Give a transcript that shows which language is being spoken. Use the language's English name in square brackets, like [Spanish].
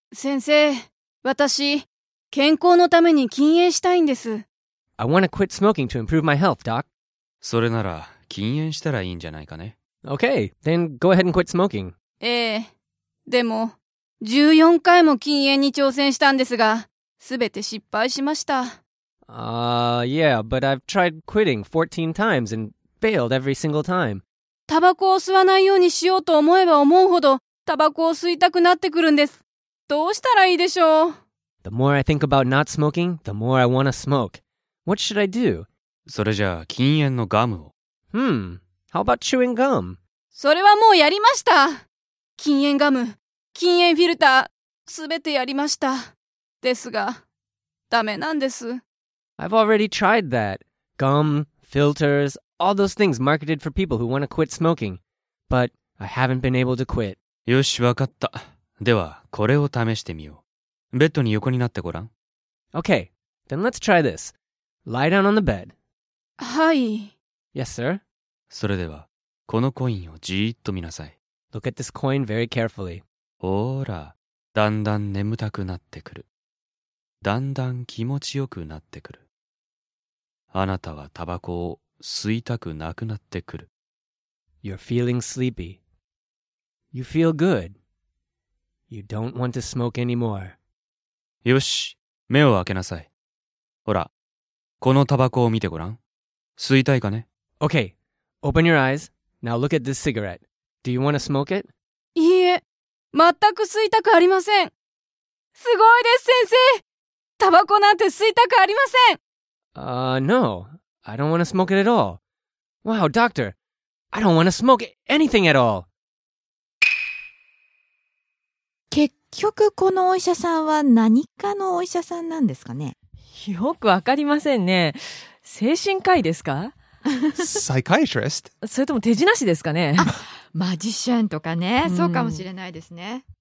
[Japanese] 先生、私、健康のために禁煙したいんです。 [English] I want to quit smoking to improve my health, doc. [Japanese] それなら、禁煙したらいいんじゃないかね。 [English] Okay, then go ahead and quit smoking. [Japanese] ええ。でも、14回も禁煙に挑戦したんですが、すべて失敗しました。 [English] Yeah, but I've tried quitting 14 times and failed every single time. [Japanese] タバコを吸わないようにしようと思えば思うほどタバコを吸いたくなってくるんです。どうしたらいいでしょう。 [English] The more I think about not smoking, the more I want to smoke. What should I do? [Japanese] それじゃあ禁煙のガムを。 [English] How about chewing gum? [Japanese] それはもうやりました。禁煙ガム、禁煙フィルター、すべてやりました。ですが、ダメなんです。 [English] I've already tried that. Gum, filters,All those things marketed for people who want to quit smoking. But I haven't been able to quit. [Japanese] よし、わかった。では、これを試してみよう。ベッドに横になってごらん。 [English] Okay, then let's try this. Lie down on the bed. [Japanese] はい。 [English] Yes, sir. [Japanese] それでは、このコインをじーっと見なさい。 [English] Look at this coin very carefully. [Japanese] ほーら、だんだん眠たくなってくる。だんだん気持ちよくなってくる。あなたはタバコを吸いたくなくなってくる。 [English] You're feeling sleepy. You feel good. You don't want to smoke anymore. [Japanese] よし、目を開けなさい。ほら、このタバコを見てごらん。吸いたいかね？ [English] Okay, open your eyes. Now look at this cigarette. Do you want to smoke it? [Japanese] いいえ、全く吸いたくありません。すごいです、先生！タバコなんて吸いたくありません。 [English] No. I don't want to smoke it at all. Wow, doctor, I don't want to smoke anything at all. [Japanese] 結局このお医者さんは何かのお医者さんなんですかね。よくわかりませんね。精神科医ですか？ [English] Psychiatrist? [Japanese] それとも手品師ですかね。あ、マジシャンとかね、そうかもしれないですね。